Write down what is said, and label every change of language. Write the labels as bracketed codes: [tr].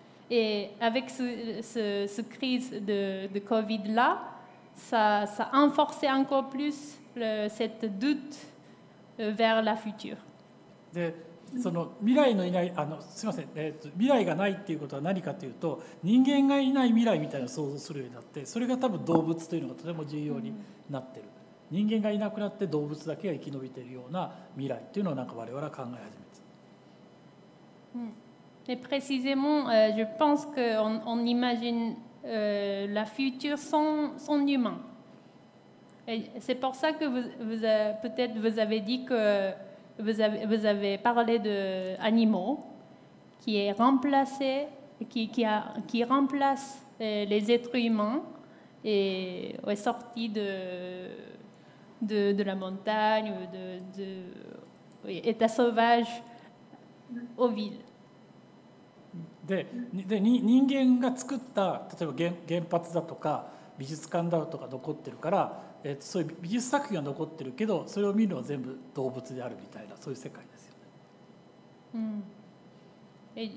[fr] Et avec ce crise de Covid là, ça a renforcé encore plus cette doute vers la future. [ja] で、その未来のいない、すみません、未来がないっていうことは何かというと、人間がいない未来みたいなのを想像するようになって、それが多分動物というのがとても重要になってる。人間がいなくなって動物だけが生き延びているような未来っていうのをなんか我々は考え始めて。 [fr] Et précisément, je pense qu'on imagine la future sans humain. Et c'est pour ça que vous avez dit que vous avez parlé d'animaux qui remplacent les êtres humains et est sorti de la montagne ou de état sauvage aux villes. [ja] で人間が作った例えば原発だとか美術館だとか残ってるから、そういう美術作品が残ってるけどそれを見るのは全部動物であるみたいなそういう世界ですよね。